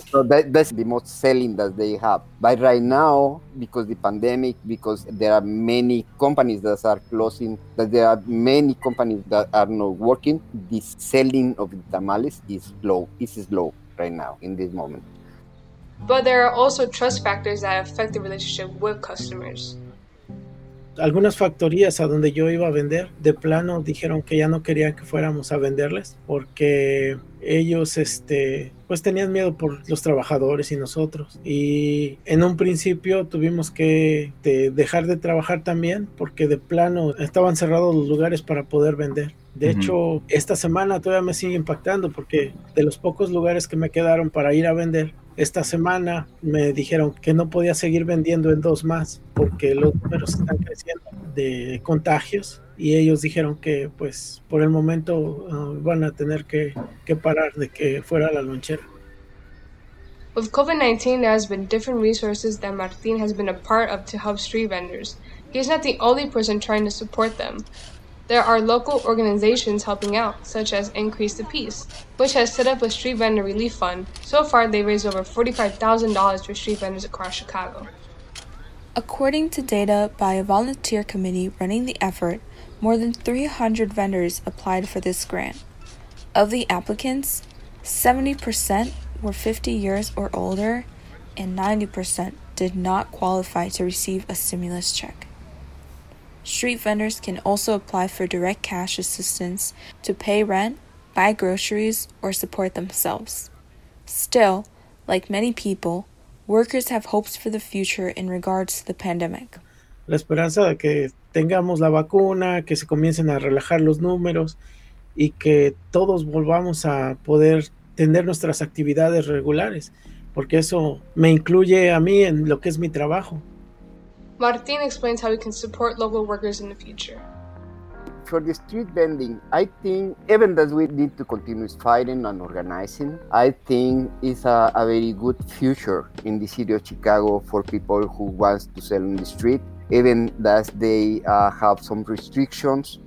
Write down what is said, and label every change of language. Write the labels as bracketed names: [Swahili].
[English] So that's the most selling that they have. But right now, because the pandemic, because there are many companies that are closing, that there are many companies that are not working, the selling of the tamales is low. It's slow right now in this moment. But there are also trust factors that affect the relationship with customers. [Spanish] Algunas factorías a donde yo iba a vender, de plano dijeron que ya no querían que fuéramos a venderles porque ellos pues tenían miedo por los trabajadores y nosotros. Y en un principio tuvimos que dejar de trabajar también porque de plano estaban cerrados los lugares para poder vender. De hecho, esta semana todavía me sigue impactando porque de los pocos lugares que me quedaron para ir a vender, esta semana me dijeron que no podía seguir vendiendo en dos más porque los números están creciendo de contagios y ellos dijeron que pues por el momento van a tener que parar de que fuera la lonchera. [English] With COVID-19, there has been different resources that Martin has been a part of to help street vendors. He's not the only person trying to support them. There are local organizations helping out, such as Increase the Peace, which has set up a street vendor relief fund. So far, they've raised over $45,000 for street vendors across Chicago. According to data by a volunteer committee running the effort, more than 300 vendors applied for this grant. Of the applicants, 70% were 50 years or older, and 90% did not qualify to receive a stimulus check. Street vendors can also apply for direct cash assistance to pay rent, buy groceries, or support themselves. Still, like many people, workers have hopes for the future in regards to the pandemic. [Spanish] La esperanza de que tengamos la vacuna, que se comiencen a relajar los números, y que todos volvamos a poder tener nuestras actividades regulares, porque eso me incluye a mí en lo que es mi trabajo. [English] Martin explains how we can support local workers in the future. For the street vending, I think even though we need to continue fighting and organizing, I think it's a very good future in the city of Chicago for people who want to sell on the street, even though they have some restrictions.